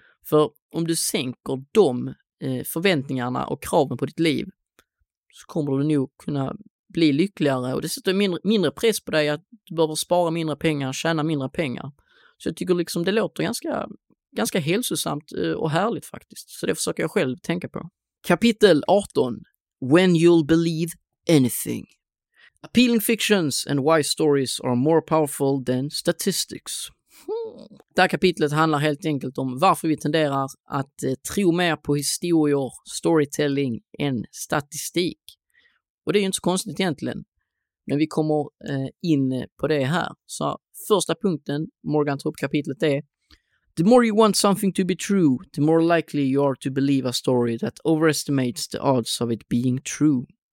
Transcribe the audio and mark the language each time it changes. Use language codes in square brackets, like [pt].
[sv] För om du sänker de förväntningarna och kraven på ditt liv, så kommer du nog kunna bli lyckligare, och det sätter mindre press på dig att du behöver spara mindre pengar, tjäna mindre pengar. Så jag tycker liksom det låter ganska hälsosamt och härligt faktiskt. Så det försöker jag själv tänka på. Kapitel 18. [en] When you'll believe anything. Appealing fictions and wise stories are more powerful than statistics. [sv] Det här kapitlet handlar helt enkelt om varför vi tenderar att tro mer på historier, storytelling, än statistik. Och det är ju inte så konstigt egentligen. Men vi kommer in på det här. Så första punkten Morgan tar upp kapitlet är: [en] the more you want something to be true, the more likely you are to believe a story that overestimates the odds of it being true.